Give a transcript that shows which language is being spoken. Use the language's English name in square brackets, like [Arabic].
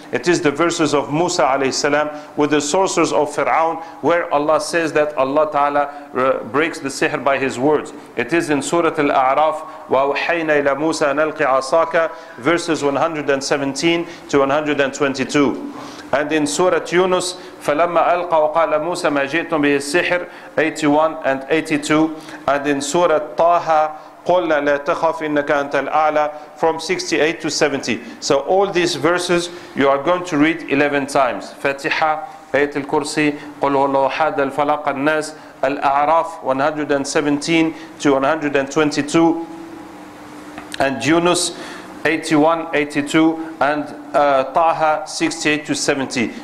[English] It is the verses of Musa alayhi salam with the sorcerers of Fir'aun, where Allah says that Allah Ta'ala breaks the sihr by His words. It is in Surah Al-A'raf, [Arabic] وَأَوْحَيْنَا إِلَى مُوسَى أَنْ أَلْقِ عَصَاكَ, [English] verses 117 to 122. And in Surah Yunus, [Arabic] فَلَمَّا أَلْقَوْا قَالَ مُوسَى مَا جِئْتُمْ بِهِ السِّحْرِ, [English] 81 and 82. And in Surah Taha, [Arabic] قُلْنَا لَا تَخَفْ إِنَّكَ أَنْتَ الْأَعْلَى, [English] from 68 to 70. So all these verses you are going to read 11 times. Fatiha, Ayat al-Kursi, قُلْ هُوَ اللَّهُ أَحَدَ, الْفَلَقَ النَّاسِ, Al-A'raf, 117 to 122, and Yunus, 81, 82, and Taha, 68 to 70.